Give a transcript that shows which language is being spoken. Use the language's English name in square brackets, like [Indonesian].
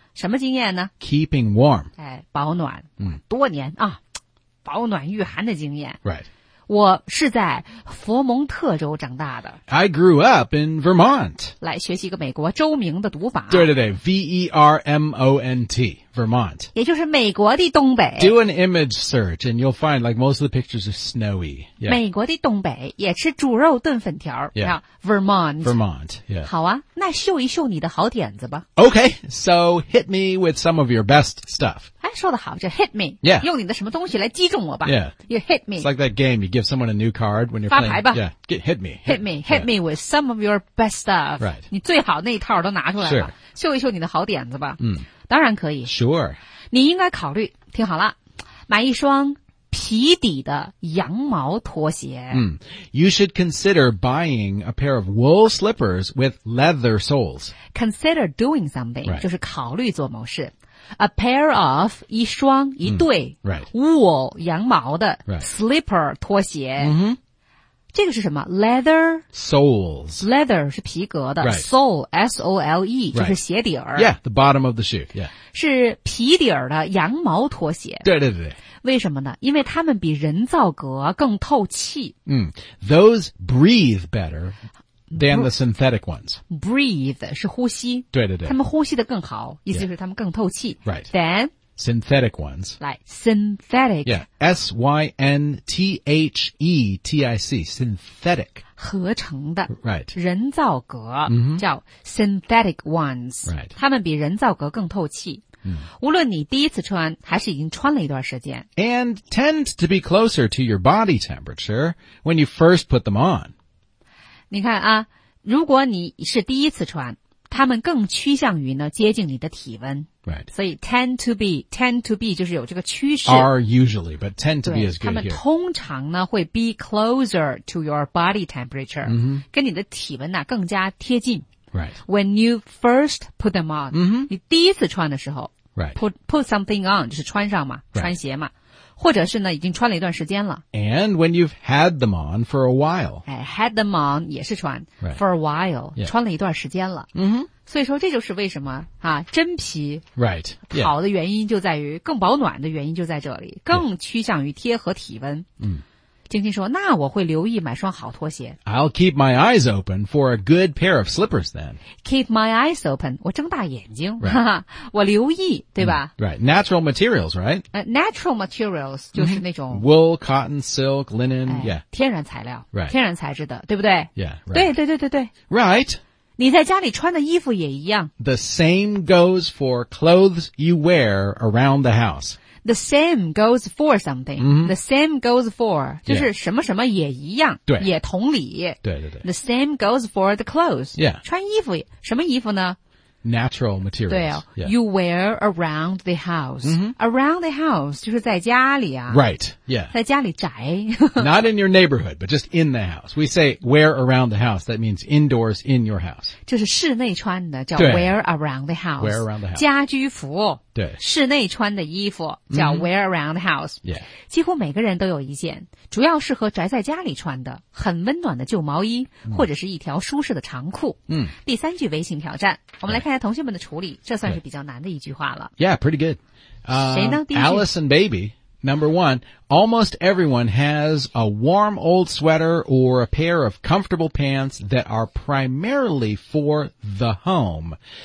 [Chinese] 什么经验呢 [English] ?Keeping warm. [Chinese] 哎保暖。嗯多年啊保暖御寒的经验。 [English] Right. [Chinese] 我是在佛蒙特州长大的。 [English] I grew up in Vermont. [Chinese] 来学习一个美国州名的读法。对对对 [English] ,V-E-R-M-O-N-T, Vermont. [Chinese] 也就是美国的东北。 [English] Do an image search and you'll find like most of the pictures are snowy.、Yeah. [Chinese] 美国的东北也吃猪肉炖粉条。 [English] Yeah. Vermont. Vermont, yeah. [Chinese] 好啊那秀一秀你的好点子吧。 [English] Okay, so hit me with some of your best stuff. [Chinese] 哎说得好这 [English] hit me. Yeah. [Chinese] 用你的什么东西来击中我吧。 [English] Yeah. You hit me. It's like that game, you give someone a new card when you're playing. [Chinese] 发牌吧。 [English] Yeah. Get, hit me. Hit me. Hit、yeah. me with some of your best stuff. Right. [Chinese] 你最好那一套都拿出来了。 [English] Sure. [Chinese] 秀一秀你的好点子吧。嗯。当然可以。 [English] Sure. [Chinese] 你应该考虑听好了买一双皮底的羊毛拖鞋。嗯。 [English] You should consider buying a pair of wool slippers with leather soles. Consider doing something,、 right. [Chinese] 就是考虑做某事。 [English] A pair of, [Chinese] 一双一对、 [English] right. [Chinese] wool, 羊毛的、 [English] right. [Chinese] slipper, 拖鞋。 Mm-hmm. 这个是什么 ?leather? [English] Soles. [Chinese] Leather 是皮革的、 [English] right. ,sole, S-O-L-E,、 right. [Chinese] 就是鞋底儿。 [English] Yeah, the bottom of the shoe, yeah. [Chinese] 是皮底儿的羊毛拖鞋。对对对。为什么呢因为它们比人造革更透气。 [English] 嗯、mm, ,those breathe better than the synthetic ones. [Chinese] Breathe 是呼吸。对对对。它们呼吸得更好意思就是它们更透气。 [English] Right. Than synthetic ones. Like synthetic. Yeah. S-Y-N-T-H-E-T-I-C. Synthetic. [Chinese] 合成的, [English] right. [Chinese] 人造革, mm-hmm. 叫 [English] synthetic ones. Right. [Chinese] 它们比人造革更透气。无论你第一次穿还是已经穿了一段时间, [English] and tend to be closer to your body temperature when you first put them on. [Chinese] 你看啊, 如果你是第一次穿, 它们更趋向于呢接近你的体温。 [English] Right. [Chinese] 所以 [English] tend to be [Chinese] 就是有这个趋势。 [English] Are usually, but tend to be is good here. [Chinese] 它们通常呢会 [English] be closer to your body temperature, mm-hmm. [Chinese] 跟你的体温呢更加贴近。 [English] Right. When you first put them on, mm-hmm. [Chinese] 你第一次穿的时候。 [English] Right. Put something on, [Chinese] 就是穿上嘛, [English] right. [Chinese] 穿鞋嘛, 或者是呢, 已经穿了一段时间了。 [English] And when you've had them on for a while. Had them on, [Chinese] 也是穿, [English] right. for a while, yeah. [Chinese] 穿了一段时间了。 Mm-hmm. 所以说这就是为什么, 真皮, [English] right. [Chinese] 跑的原因就在于, 更保暖的原因就在这里, 更趋向于贴合体温。晶晶说, 那我会留意买双好拖鞋。 [English] I'll keep my eyes open for a good pair of slippers then. Keep my eyes open. [Chinese] 我睁大眼睛, [English] right. [Chinese] 我留意, 对吧? [English] Right. Natural materials, right? Natural materials, [Chinese] 就是那种, [English] mm-hmm. Wool, cotton, silk, linen, yeah. [Chinese] 天然材料, [English] right. [Chinese] 天然材质的, 对不对? [English] Yeah, right. [Chinese] 对对对对对。 [English] Right. [Chinese] 你在家里穿的衣服也一样。 [English] The same goes for clothes you wear around the house. The same goes for something. Mm-hmm. The same goes for. [Chinese] 就是什么什么也一样。对。也同理。对对对。 [English] The same goes for the clothes. Yeah. [Chinese] 穿衣服, 什么衣服呢? [English] Natural materials. [Chinese] 对哦, [English] yeah. You wear around the house. Mm-hmm. Around the house, [Chinese] 就是在家里啊。 [English] Right, yeah. [Chinese] 在家里宅。 [English] Not in your neighborhood, but just in the house. We say wear around the house, that means indoors in your house. [Chinese] 就是室内穿的, 叫 [English] wear around the house. Wear around the house. [Chinese] 家居服。对。室内穿的衣服, 叫 mm-hmm. [English] wear around the house. Yeah. [Chinese] 几乎每个人都有一件, 主要适合宅在家里穿的, 很温暖的旧毛衣, mm. 或者是一条舒适的长裤。 Mm. 第三句微信挑战, 我们来看一下同学们的处理, 这算是比较难的一句话了。 [English] Yeah, pretty good. [Chinese] 谁呢? [English] Alice and Baby, number one, almost everyone has a warm old sweater or a pair of comfortable pants that are primarily for the home.